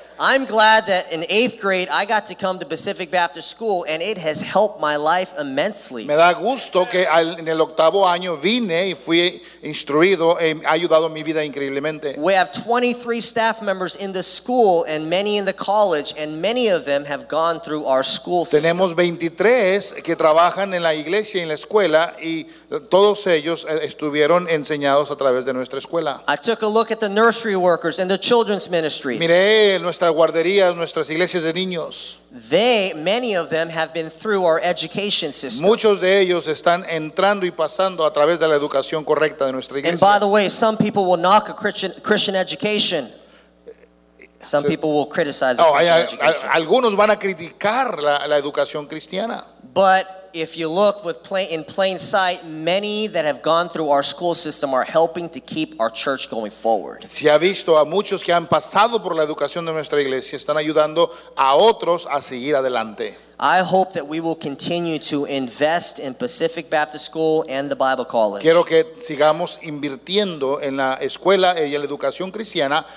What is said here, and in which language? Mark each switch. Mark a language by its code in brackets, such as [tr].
[en] I'm glad that in eighth grade I got to come to Pacific Baptist School and it has helped my life immensely. [es] Me da gusto que en el octavo año vine y fui instruido y ha ayudado mi vida increíblemente. [en] We have 23 staff members in the school and many in the college, and many of them have gone through our school system. [es] Tenemos 23 que trabajan en la iglesia y en la escuela, y todos ellos estuvieron enseñados a través de nuestra escuela. [en] I took a look at the nursery workers and the children's ministries. [es] Miré nuestras guarderías, nuestras iglesias de niños. [en] Many of them have been through our education system. [es] Muchos de ellos están entrando y pasando a través de la educación correcta de nuestra iglesia. [en] And by the way, some people will knock a Christian education. Some people will criticize the Christian education. [es] Algunos van a criticar la educación cristiana. [en] But if you look in plain sight, many that have gone through our school system are helping to keep our church going forward. [es] Si ha visto a muchos que han pasado por la educación de nuestra iglesia, están ayudando a otros a seguir adelante. [en] I hope that we will continue to invest in Pacific Baptist School and the Bible College. [es] Quiero que sigamos invirtiendo en la escuela y en la educación cristiana